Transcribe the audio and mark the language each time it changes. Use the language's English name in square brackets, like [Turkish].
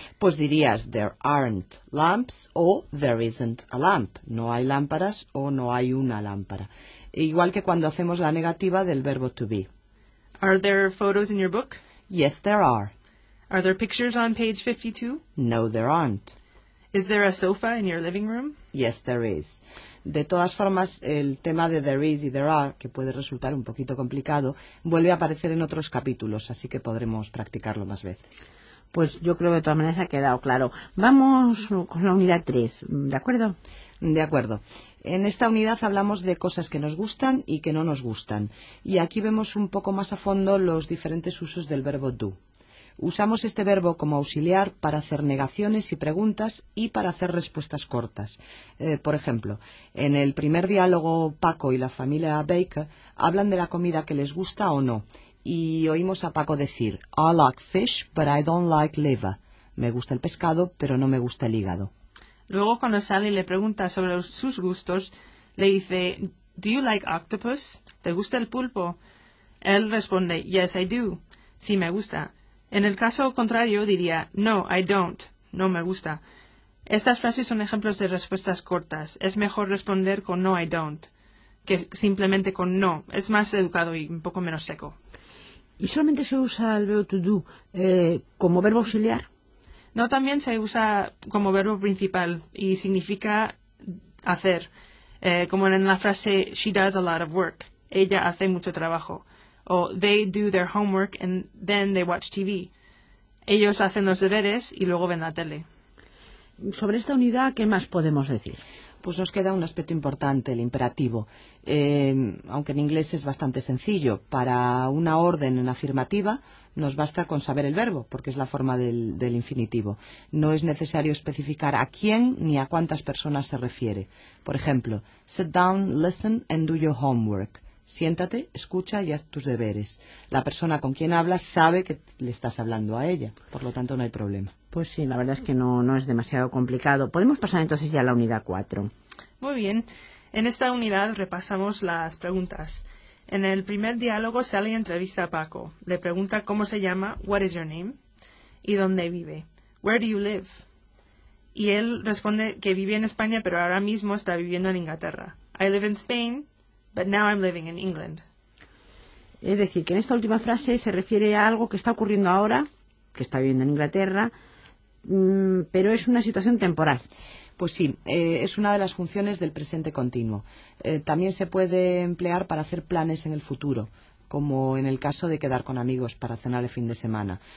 [Spanish] Pues dirías, [English] there aren't lamps o there isn't a lamp. [Spanish] No hay lámparas o no hay una lámpara. Igual que cuando hacemos la negativa del verbo to be. [English] Are there photos in your book? Yes, there are. Are there pictures on page 52? No, there aren't. Is there a sofa in your living room? [Spanish] Yes, there is. De todas formas, el tema de there is y there are, que puede resultar un poquito complicado, vuelve a aparecer en otros capítulos, así que podremos practicarlo más veces. Pues yo creo que de todas maneras ha quedado claro. Vamos con la unidad 3, ¿de acuerdo? De acuerdo. En esta unidad hablamos de cosas que nos gustan y que no nos gustan. Y aquí vemos un poco más a fondo los diferentes usos del verbo do. Usamos este verbo como auxiliar para hacer negaciones y preguntas y para hacer respuestas cortas. Por ejemplo, en el primer diálogo, Paco y la familia Baker hablan de la comida que les gusta o no. [English] Y oímos a Paco decir, I like fish, but I don't like liver. [Spanish] Me gusta el pescado, pero no me gusta el hígado. Luego, cuando Sally le pregunta sobre sus gustos, le dice, [English] do you like octopus? [Spanish] ¿Te gusta el pulpo? Él responde, [English] yes, I do. [Spanish] Sí, me gusta. En el caso contrario, diría, [English] no, I don't. [Spanish] No me gusta. Estas frases son ejemplos de respuestas cortas. Es mejor responder con [English] no, I don't, [Spanish] que simplemente con no. Es más educado y un poco menos seco. ¿Y solamente se usa el verbo to do como verbo auxiliar? No, también se usa como verbo principal y significa hacer. Como en la frase, [English] she does a lot of work. [Spanish] Ella hace mucho trabajo. [English] O, they do their homework and then they watch TV. [Spanish] Ellos hacen los deberes y luego ven la tele. Sobre esta unidad, ¿qué más podemos decir? Pues nos queda un aspecto importante, el imperativo. Aunque en inglés es bastante sencillo. Para una orden en afirmativa, nos basta con saber el verbo, porque es la forma del infinitivo. No es necesario especificar a quién ni a cuántas personas se refiere. [English] Por ejemplo, sit down, listen and do your homework. [Spanish] Siéntate, escucha y haz tus deberes. La persona con quien hablas sabe que le estás hablando a ella, por lo tanto no hay problema. Pues sí, la verdad es que no es demasiado complicado. ¿Podemos pasar entonces ya a la unidad 4? Muy bien. En esta unidad repasamos las preguntas. En el primer diálogo Sally entrevista a Paco. Le pregunta cómo se llama, [English] what is your name, [Spanish] y dónde vive, [English] where do you live. [Spanish] Y él responde que vive en España, pero ahora mismo está viviendo en Inglaterra. [English] I live in Spain, but now I'm living in England. [Spanish] Es decir, que en esta última frase se refiere a algo que está ocurriendo ahora, que está viviendo en Inglaterra, pero es una situación temporal. Pues sí, es una de las funciones del presente continuo. También se puede emplear para hacer planes en el futuro, como en el caso de quedar con amigos para cenar el fin de semana.